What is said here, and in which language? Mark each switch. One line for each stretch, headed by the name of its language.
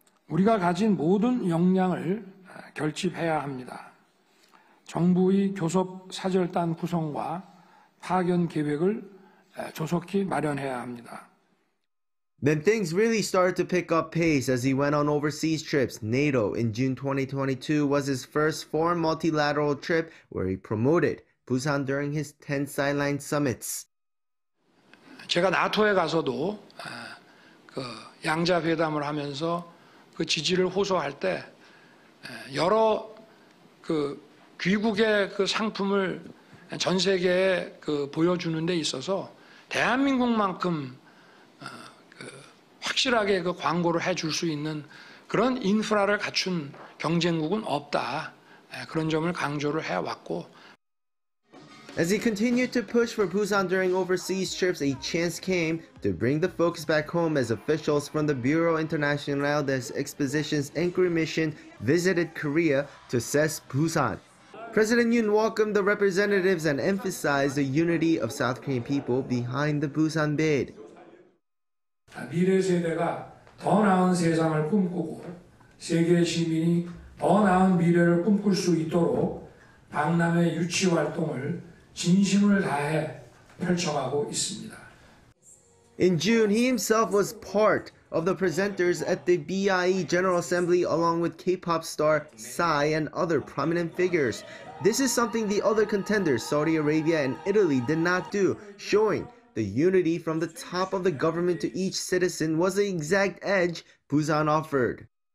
Korean: 우리가 가진 모든 역량을 결집해야 합니다. 정부의 교섭 사절단 구성과 파견 계획을 조속히 마련해야 합니다.
English: Then things really started to pick up pace as he went on overseas trips. NATO in June 2022 was his first foreign multilateral trip where he promoted Busan during his 10 sideline summits.
Korean: 제가 나토에 가서도 그 양자 회담을 하면서 그 지지를 호소할 때 여러 그 귀국의 그 상품을 전 세계에 그 보여주는 데 있어서 대한민국만큼 그 확실하게 그 광고를 해줄 수 있는 그런 인프라를 갖춘 경쟁국은 없다. 그런 점을 강조를 해왔고.
English: As he continued to push for Busan during overseas trips, a chance came to bring the focus back home as officials from the Bureau International des Expositions Inquiry Mission visited Korea to assess Busan. President Yoon welcomed the representatives and emphasized the unity of South Korean people behind the Busan bid.
Korean: 미래 세대가 더 나은 세상을 꿈꾸고 세계 시민이 더 나은 미래를 꿈꿀 수 있도록 박람회 유치 활동을 진심을 다해 펼쳐가고 있습니다.
English: In June, he himself was part of the presenters at the BIE General Assembly along with K-pop star Psy and other prominent figures. This is something the other contenders, Saudi Arabia and Italy, did not do, showing the unity from the top of the government to each citizen was the exact edge Busan offered.